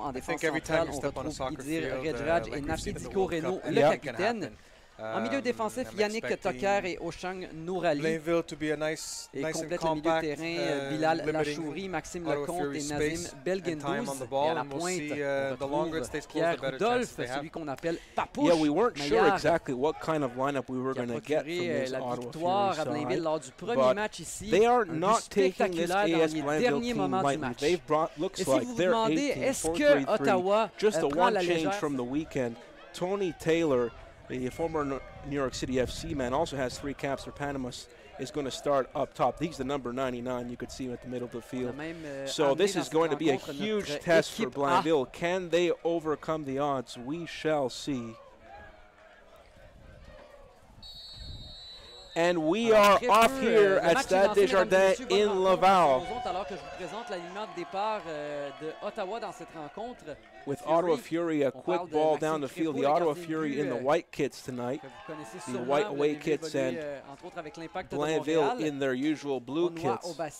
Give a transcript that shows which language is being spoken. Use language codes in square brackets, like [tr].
[fr] En défense centrale, on retrouve Idir Redraj et Nafidi Koreno, le capitaine. En milieu défensif, Yannick Tucker et Oshang Nourali. Et complète le milieu terrain, Bilal Lachouri, Maxime Lecomte et Nazim Belgendouz. Et à la pointe, on retrouve Pierre Rudolph, celui qu'on appelle Papouche. [en] Yeah, we weren't sure exactly what kind of lineup we were going to get from this Ottawa Fury. [fr] La victoire à Blainville lors du premier match ici. [en] They are not taking this AS Blainville team lightly. They've brought looks like they're 18-4-3-3. Just a one change from the weekend. Tony Taylor, the former New York City FC man, also has three caps for Panama, is going to start up top. He's the number 99, you could see him at the middle of the field. So this is going to be a huge test for Blainville. Can they overcome the odds? We shall see. And we are off here at Stade Desjardins in Laval. [fr] Alors que je vous présente l'alignement de départ de Ottawa dans cette rencontre. [en] With Ottawa Fury, a quick ball down the field. The Ottawa Fury in the white kits tonight. The white away kits and Blainville in their usual blue kits.